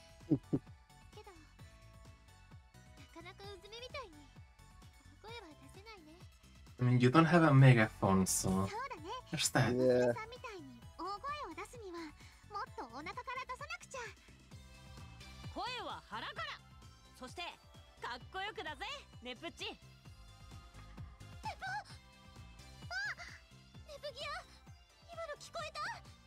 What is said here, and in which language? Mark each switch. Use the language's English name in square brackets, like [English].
[Japanese] けどなかなかうずめみたいに声は出せないね。 [English] I mean, you don't have a megaphone, so. [Japanese] そうだね。 [English] What's that? [Japanese] うずめさんみたいに大声を出すにはもっとお腹から出さなくちゃ。声は腹から、そしてかっこよくだぜネプチ。ネプ、あ、ネプギア、今の聞こえた？